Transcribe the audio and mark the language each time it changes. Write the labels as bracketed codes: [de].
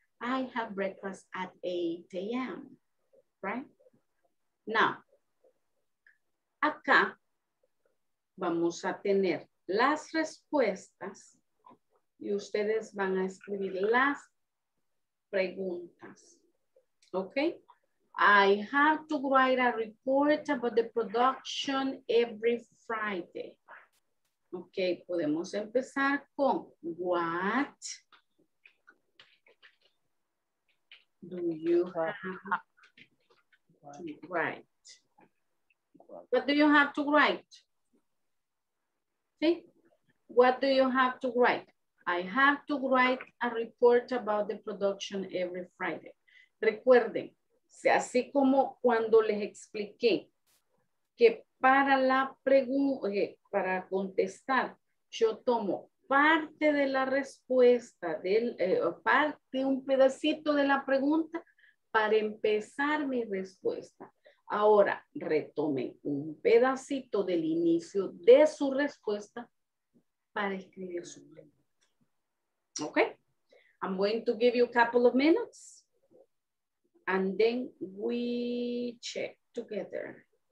[en] I have breakfast at 8 a.m. Right? [es] Now, acá vamos a tener las respuestas y ustedes van a escribir las preguntas. [en] Okay? I have to write a report about the production every Friday. Ok, [es] podemos empezar con [en] what do you have to write? What do you have to write? See? What do you have to write? I have to write a report about the production every Friday. [es] Recuerden, así como cuando les expliqué que para la pregunta, para contestar, yo tomo parte de la respuesta, parte, un pedacito de la pregunta para empezar mi respuesta. Ahora, retomen un pedacito del inicio de su respuesta para escribir su pregunta. [en] Ok. I'm going to give you a couple of minutes and then we check together.